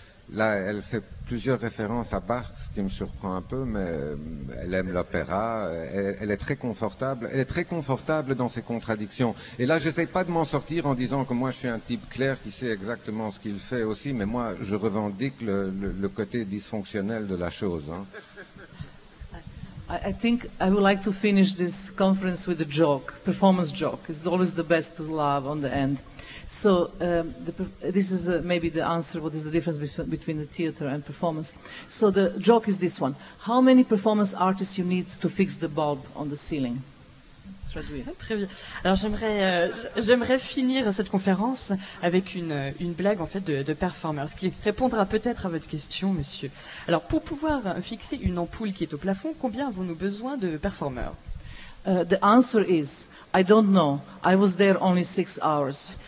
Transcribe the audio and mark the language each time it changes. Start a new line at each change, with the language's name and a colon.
French: Elle fait plusieurs références à Bach, ce qui me surprend un peu, mais elle aime l'opéra. Elle est très confortable. Elle est très confortable dans ses contradictions. Et là, j'essaie pas de m'en sortir en disant que moi, je suis un type clair qui sait exactement ce qu'il fait aussi, mais moi, je revendique le côté dysfonctionnel de la chose. Hein.
English: I think I would like to finish this conference with a joke, performance joke. It's always the best to laugh on the end. So this is maybe the answer, what is the difference between the theater and performance. So the joke is this one. How many performance artists you need to fix the bulb on the ceiling?
French: Très bien. Alors j'aimerais finir cette conférence avec une blague en fait de performer, ce qui répondra peut-être à votre question, monsieur. Alors pour pouvoir fixer une ampoule qui est au plafond, combien avons-nous besoin de performeurs?
English: The answer is, I don't know. I was there only 6 hours.